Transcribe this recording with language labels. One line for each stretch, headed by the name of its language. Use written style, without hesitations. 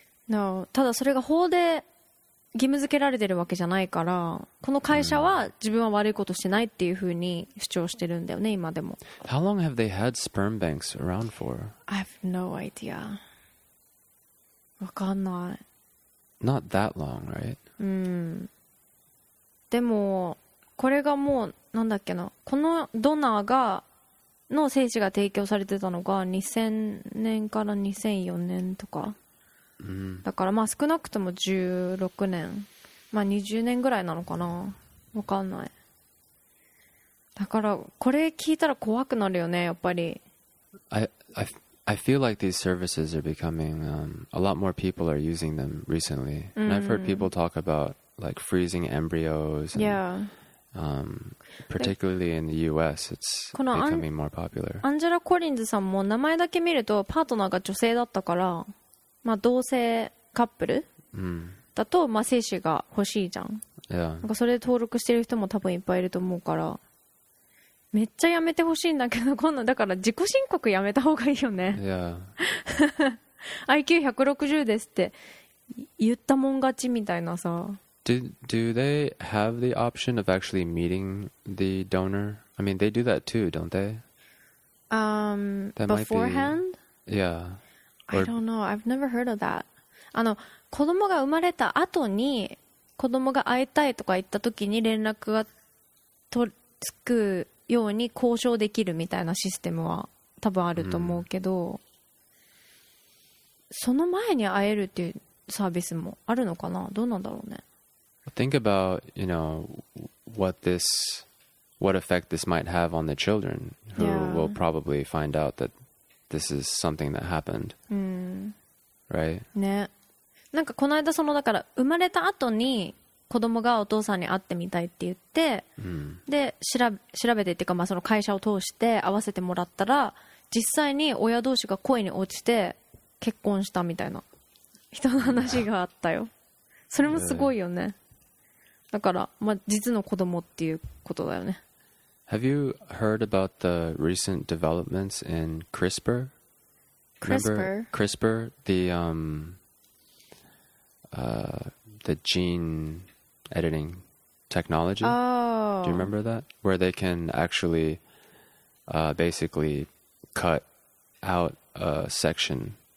Japanese: No, ただそれが法で義務付けられてるわけじゃないから、この会社は自分は悪いことしてないっていうふうに主張してるんだよね、今でも。
English: How long have they had sperm banks around for? I have no idea.
Japanese: わかんない。
English: Not that long, right?
Japanese: うん。でも、これがもう、なんだっけな、このドナーがの精子が提供されてたのが2000年から2004年とか、うん、だからまあ少なくとも16年、まあ20年ぐらいなのかな、わかんない。だからこれ聞いたら怖くなるよね、やっぱり。
English: I feel like these services are becoming、a lot more people are using them recently、うん、and I've heard people talk about like freezing embryos and、 yeah. particularly in the US, it's becoming more popular.
Japanese: アンジェラ・コリンズさんも名前だけ見るとパートナーが女性だったから、まあ、同性カップル、うん、だと、まあ、精子が欲しいじゃん。
English: Yeah.
Japanese: なんかそれで登録してる人も多分いっぱいいると思うから、めっちゃやめてほしいんだけど、今度だから自己申告やめた方がいいよね。
English: Yeah.
Japanese: IQ160 ですって言ったもん勝ちみたいなさ。
English: Do they have the option of actually meeting the donor? I mean, they do that too, don't they? that beforehand? Be, yeah. Or, I don't know. I've never heard of that.
Japanese: あの、子供が生まれた後に子供が会いたいとか言った時に連絡がとつくように交渉できるみたいなシステムは多分あると思うけど、うん、その前に会えるっていうサービスもあるのかな？どうなんだろうね。
English: Think about, you know, what this, what effect this might have on the children who、yeah. will probably find out that this is something that happened.、 Mm. Right?
Japanese: ね。なんかこの間そのだから生まれた後に子供がお父さんに会ってみたいって言って、 mm. で調べてっていうか、まあ、その会社を通して会わせてもらったら実際に親同士が恋に落ちて結婚したみたいな人の話があったよ。それもすごいよね。だから、まあ、実の子供っていうことだよね。
English: Have you heard about the recent developments in CRISPR? CRISPR? CRISPR? The, the gene editing technology? Oh. Do you remember that? Where they can actually, basically cut out a section.